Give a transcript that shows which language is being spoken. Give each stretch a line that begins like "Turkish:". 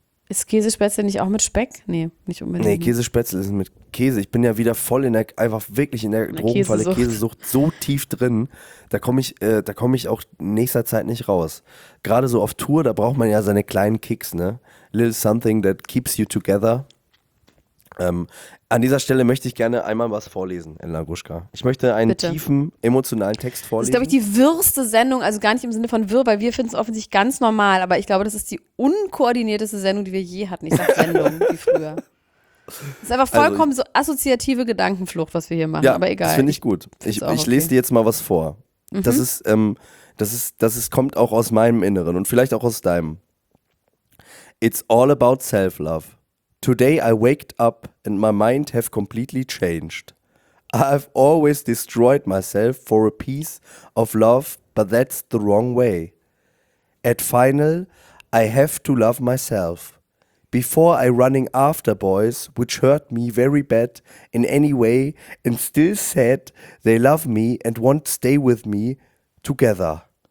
German: Ist Käsespätzle nicht auch mit Speck? Nee, nicht unbedingt. Nee, Käsespätzle ist mit Käse. Ich bin ja wieder voll in der, einfach wirklich in der Drogenfalle Käsesucht so tief drin. Da komme ich auch in nächster Zeit nicht raus. Gerade so auf Tour, da braucht man ja seine kleinen Kicks, ne?
English: Little something that keeps you together.
German: An dieser Stelle möchte ich gerne einmal was vorlesen, Elena Gruschka. Ich möchte einen tiefen, emotionalen Text vorlesen. Das ist, glaube ich, die wirrste Sendung, also gar nicht im Sinne von wirr, weil wir finden es offensichtlich ganz normal, aber ich glaube, das ist die unkoordinierteste Sendung, die wir je hatten. Ich sage Sendung, wie früher. Das ist einfach vollkommen so assoziative Gedankenflucht, was wir hier machen, ja, aber egal. Das finde ich gut. Ich lese dir jetzt mal was vor. Mhm. Das kommt auch aus meinem Inneren und vielleicht auch aus deinem.
English: It's all about self-love. Today I waked up and my mind have completely changed. I've always destroyed myself for a piece of love, but that's the wrong way. At final, I have to love myself. Before I running after boys, which hurt me very bad in any way, and still said they love me and won't stay with me together.